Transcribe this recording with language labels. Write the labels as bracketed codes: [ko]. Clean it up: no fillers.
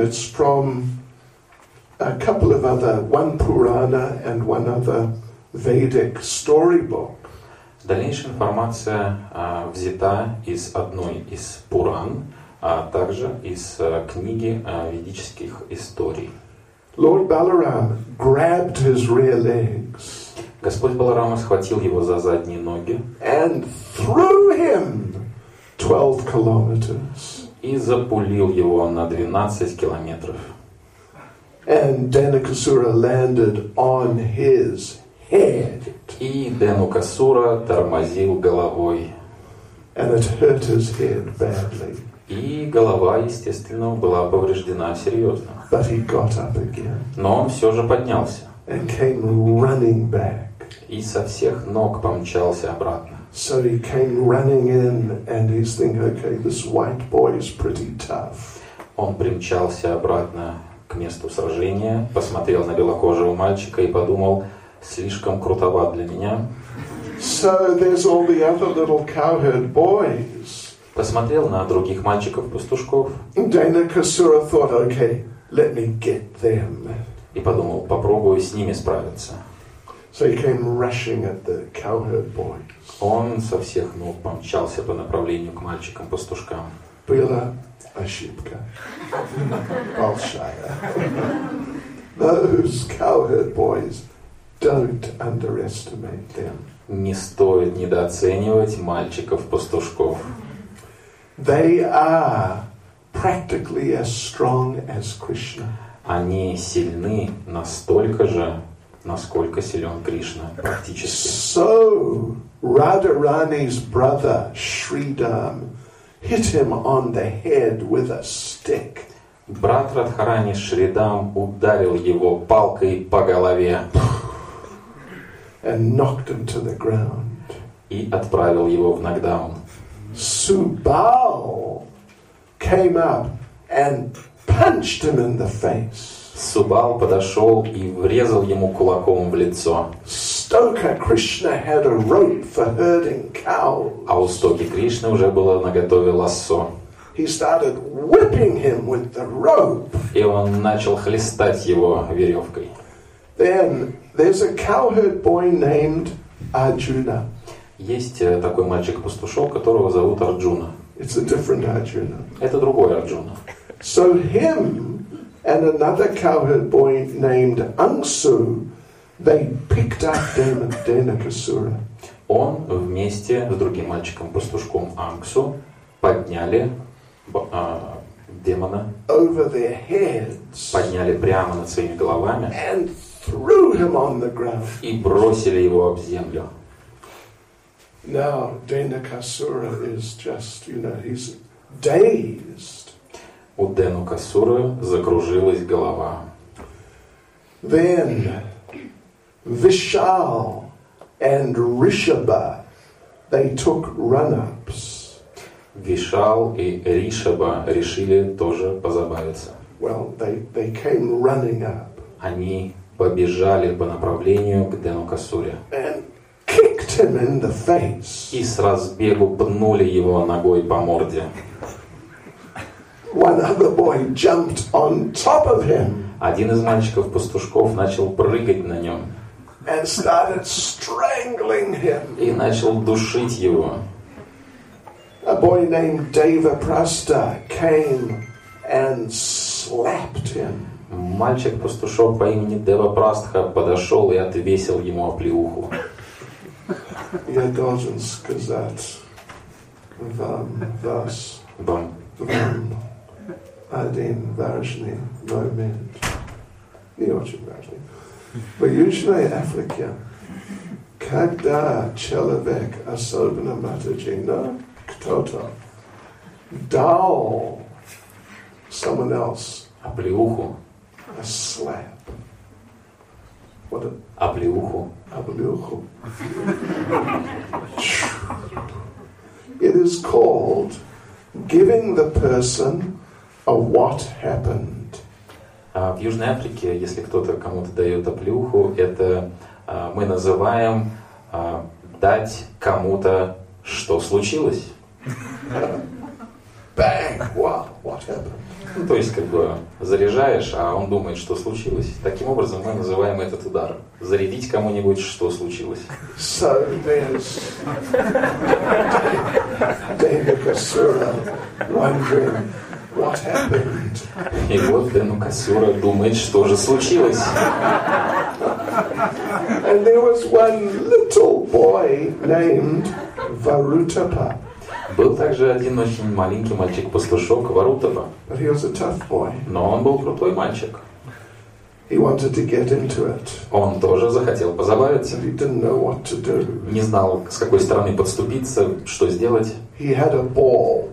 [en] It's from a couple of other, one Purana and one other Vedic storybook. [ru] Дальнейшая информация взята из одной из Пуран, а также из книги ведических историй. [en] Lord Balaram grabbed his rear legs. [ru] Господь Баларама схватил его за задние ноги. [en] And threw him 12 kilometers. [ru] И запулил его на 12 километров. [en] And Dhanakasura landed on his head. [ru] И Дханакасура тормозил головой. [en] And it hurt his head badly. [ru] И голова, естественно, была повреждена серьезно. [en] But he got up again. [ru] Но он все же поднялся. [en] And came running back. [ru] И со всех ног помчался обратно. [en] So he came running in, and he's thinking, okay, this white boy is pretty tough. [ru] Он примчался обратно к месту сражения, посмотрел на белокожего мальчика и подумал, слишком крутоват для меня. [en] So there's all the other little cowherd boys. [ru] Посмотрел на других мальчиков-пастушков. [en] Dhanakasura thought, okay, let me get them. [ru] И подумал, попробую с ними справиться. [en] So he came rushing at the cowherd boys. [ru] Он со всех ног помчался по направлению к мальчикам-пастушкам. Была ошибка. Большая. [en] Those cowherd boys, don't underestimate them. [ru] Не стоит недооценивать мальчиков-пастушков. [en] They are practically as strong as Krishna. [ru] Они сильны настолько же, насколько силен Кришна, практически. [en] So Radharani's brother Shridam hit him on the head with a stick. [ru] Брат Радхарани Шридам ударил его палкой по голове. [en] And knocked him to the ground. [ru] И отправил его в нокдаун. [en] Subal came up and punched him in the face. [ru] Subal подошел и врезал ему кулаком в лицо. [en] Stoker Krishna had a rope for herding cows. [ru] А у Стоки Кришны уже было наготове лассо. [en] He started whipping him with the rope. [ru] И он начал хлестать его веревкой. [en] Then there's a cowherd boy named Arjuna. [ru] Есть такой мальчик-пастушок, которого зовут Арджуна. [en] It's a different Arjuna. [ru] Это другой Арджуна. [en] So him and another cowherd boy named Angsu, they picked up Dhanakasura. [ru] Он вместе с другим мальчиком-пастушком Ангсу подняли демона. [en] Over their heads. [ru] Подняли прямо над своими головами. [en] And threw him on the ground. [ru] И бросили его об землю. [en] Now Dhanakasura is just, you know, he's dazed. [ru] У Дханакасуры закружилась голова. [en] Then Vishal and Rishabha, they took run-ups. [ru] Vishal и Ришабха решили тоже позабавиться. [en] Well, they came running up. [ru] Они побежали по направлению к Дханакасуре. [en] Kicked him in the face. [ru] И с разбегу пнули его ногой по морде. [en] One other boy jumped on top of him. [ru] Один из мальчиков-пастушков начал прыгать на нем. [en] And started strangling him. [ru] И начал душить его. [en] A boy named Devaprastha came and slapped him. [ru] Мальчик-пастушок по имени Девапрастха подошел и отвесил ему оплеуху. Я должен сказать вам, вас, вам один важный момент. Не очень важный. В Южной Африке, когда человек, особенно матаджи, но кто-то дал [en] someone else [ru] оплеуху, [en] a slap, [ru] Вот оплеуху. Оплеуху. [en] It is called giving the person a what happened. [ru] В Южной Африке, если кто-то кому-то дает оплеуху, это мы называем дать кому-то что случилось. [en] Bang! What happened? [ru] Ну, то есть, как бы, заряжаешь, а он думает, что случилось. Таким образом, мы называем этот удар. Зарядить кому-нибудь, что случилось. [en] So, there's Денукасура wondering what happened. [ru] И вот Денукасура думает, что же случилось. [en] And there was one little boy named Varutapa. [ru] Был также один очень маленький мальчик-пастушок Варутапа. Но он был крутой мальчик. [en] He wanted to get into it. [ru] Он тоже захотел позабавиться. [en] He didn't know what to do. [ru] Не знал, с какой стороны подступиться, что сделать. [en] He had a ball.